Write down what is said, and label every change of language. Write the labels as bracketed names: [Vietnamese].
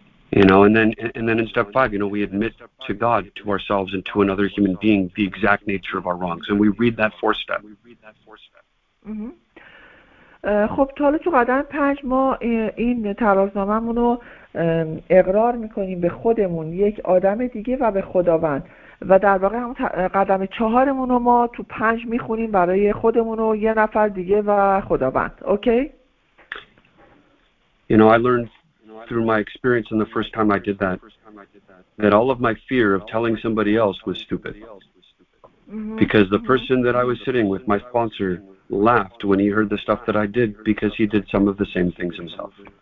[English] You know, and then in step five, you know, we admit to God, to ourselves, and to another human being the exact nature of our wrongs, and we read that fourth step. [Persian] خب تا حالا تو قدم پنج ما این ترازنامه‌مون رو اقرار میکنیم به خودمون، یک آدم دیگه و به خداوند، و در واقع همون قدم چهارمون رو ما تو پنج میخونیم برای خودمون و یه نفر دیگه و خداوند. اوکی؟ [English] You know, I learned through my experience and the first time I did that, that all of my fear of telling somebody else was stupid. Because the person that I was sitting with, my sponsor, laughed when he heard the stuff that I did because he did some of the same things himself.